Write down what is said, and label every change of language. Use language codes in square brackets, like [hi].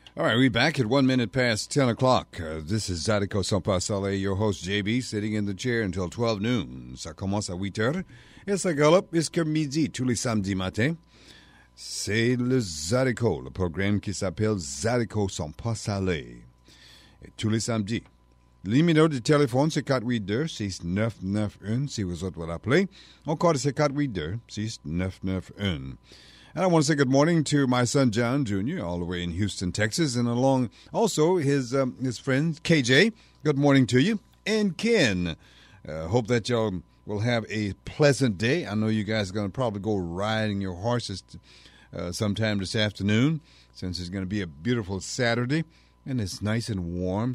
[en] All right, we're back at 1 minute past 10 o'clock. This is Zydeco Sampasale, your host, JB, sitting in the chair until 12 noon. [fr] Ça commence à 8 heures. Et ça galope jusqu'à midi, tous les samedis matins. C'est le Zydeco, le programme qui s'appelle Zydeco Sampasale. Et tous les samedis. L'numéro de téléphone, c'est 482-6991, si vous autres voulez appeler. Encore, c'est 482-6991. [en] And I want to say good morning to my son, John Jr., all the way in Houston, Texas, and along also his friend, KJ. Good morning to you. And Ken, hope that y'all will have a pleasant day. I know you guys are going to probably go riding your horses sometime this afternoon, since it's going to be a beautiful Saturday, and it's nice and warm.